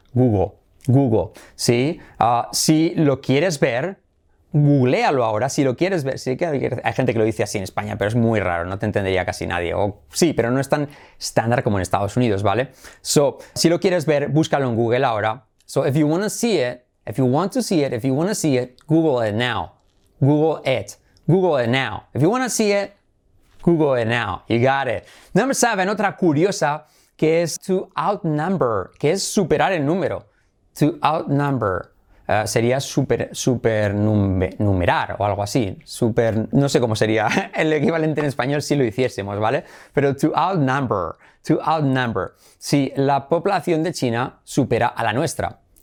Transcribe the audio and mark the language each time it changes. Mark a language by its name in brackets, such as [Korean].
[Spanish] Google. Google. ¿Sí? Si lo quieres ver, googlealo ahora. Si lo quieres ver, sí que hay gente que lo dice así en España, pero es muy raro, no te entendería casi nadie. O sí, pero no es tan estándar como en Estados Unidos, ¿vale? So, si lo quieres ver, búscalo en Google ahora. [English] So, if you want to see it, if you want to see it, if you want to see it, Google it now. Google it. Google it now. If you want to see it, Google it now. You got it. Number seven, [Spanish] otra curiosa, que es to outnumber, que es superar el número. To outnumber. Sería supernumerar o algo así. Super, no sé cómo sería el equivalente en español si lo hiciésemos, ¿vale? Pero to outnumber. To outnumber. Si la población de China supera a la nuestra.